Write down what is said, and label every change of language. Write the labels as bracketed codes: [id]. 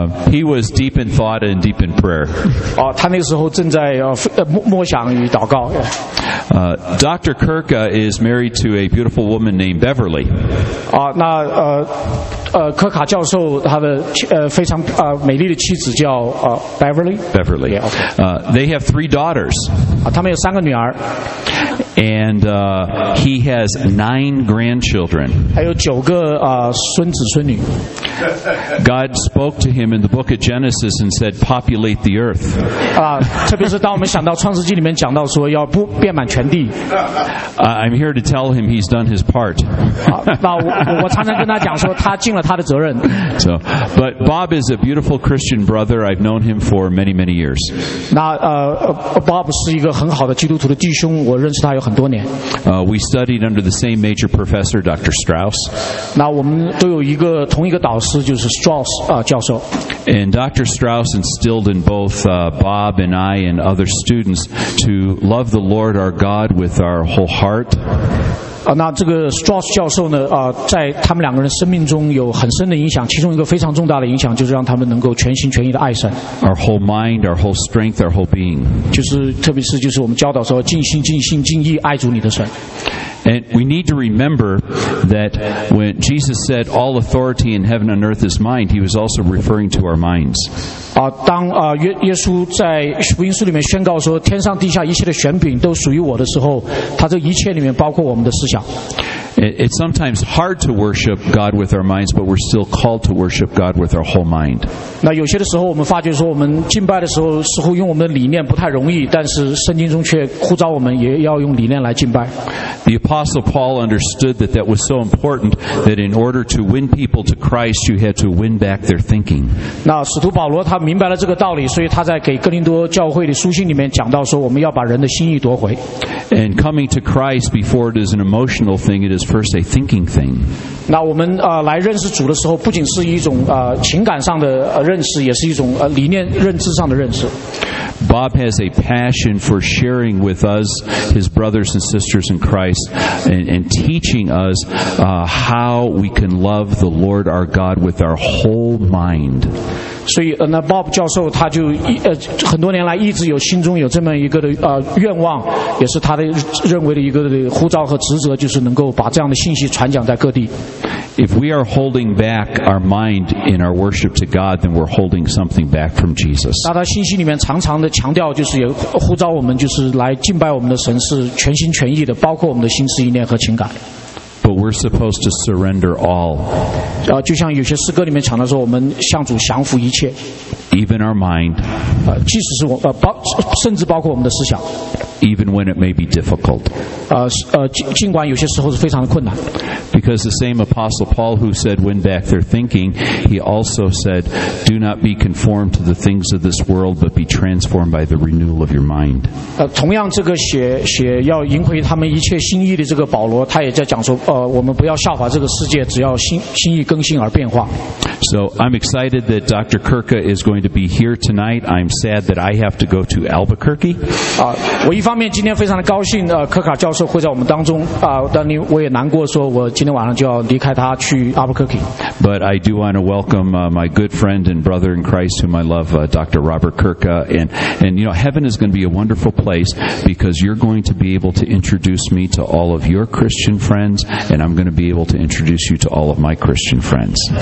[en] He was deep in thought and deep in prayer. [zh] 他那个时候正在默想与祷告。 [en] Dr. Kirka is married to a beautiful woman named Beverly. [zh] 那科卡教授他的非常美丽的妻子叫Beverly. [en] Beverly. Yeah, okay. They have three daughters. [zh] 他们有三个女儿。 [en] And he has nine grandchildren. [zh] 还有九个孙子孙女。 [en] God spoke to him in the book of Genesis and said, "Populate the earth." [zh] 特别是当我们想到创世纪里面讲到说要遍满全地。 [en] I'm here to tell him he's done his part. [zh] 那我常常跟他讲说他尽了他的责任。 [en] So, but Bob is a beautiful Christian brother. I've known him for many, many years. [zh] 那Bob 是一个很好的基督徒的弟兄，我认识他有很多年。 [en] We studied under the same major professor, Dr. Strauss. [zh] 那我们都有一个同一个导师，就是 Strauss 教授。 [en] And Dr. Strauss instilled in both Bob and I and other students to love the Lord our God with our whole heart. [zh] 那这个 Strauss 教授呢，在他们两个人生命中有很深的影响，其中一个非常重大的影响就是让他们能够全心全意的爱神。 [en] Our whole mind, our whole strength, our whole being. [zh] 就是特别是就是我们教导说尽心尽性尽意爱主你的神。 [en] And we need to remember that when Jesus said, "All authority in heaven and earth is mine," he was also referring to our minds. [zh] 当耶稣在福音书里面宣告说天上地下一切的权柄都属于我的时候，他这一切里面包括我们的思想。 [en] It's sometimes hard to worship God with our minds, but we're still called to worship God with our whole mind. [zh] 那有些的时候我们发觉说我们敬拜的时候似乎用我们的理念不太容易，但是圣经中却呼召我们也要用理念来敬拜。 [en] The Apostle Paul understood that that was so important that in order to win people to Christ, you had to win back their thinking. [zh] 那使徒保罗他明白了这个道理，所以他在给哥林多教会的书信里面讲到说我们要把人的心意夺回。 [en] And coming to Christ before it is an emotional thing, it is first a thinking thing. [zh] 那我们来认识主的时候，不仅是一种情感上的认识，也是一种理念认知上的认识。 [en] Bob has a passion for sharing with us, his brothers and sisters in Christ, and teaching us how we can love the Lord our God with our whole mind. [zh] 所以那 Bob 教授他就很多年来一直有心中有这么一个的愿望，也是他的认为的一个的呼召和职责，就是能够把这样的信息传讲在各地。 [en] If we are holding back our mind in our worship to God, then we're holding something back from Jesus. [zh] 那他信息里面常常的强调，就是也呼召我们，就是来敬拜我们的神，是全心全意的，包括我们的心思意念和情感。 [en] But we're supposed to surrender all. [zh] 就像有些诗歌里面唱的说，我们向主降服一切。 [en] even our mind, [zh] 即使是我呃包甚至包括我们的思想 [en] even when it may be difficult, [zh] 尽管有些时候是非常的困难 [en] because the same Apostle Paul who said win back their thinking, he also said, do not be conformed to the things of this world, but be transformed by the renewal of your mind. [zh] 同样这个写要赢回他们一切心意的这个保罗，他也在讲说，我们不要效法这个世界，只要心意更新而变化。 [en] So I'm excited that Dr. Kirka is going to be here tonight. I'm sad that I have to go to Albuquerque. [zh] 我一方面今天非常的高兴，科卡教授会在我们当中，但我也难过，说我今天晚上就要离开他去 Albuquerque. [en] But I do want to welcome my good friend and brother in Christ, whom I love, Dr. Robert Kirka. And you know, heaven is going to be a wonderful place because you're going to be able to introduce me to all of your Christian friends, and I'm going to be able to introduce you to all of my Christian friends.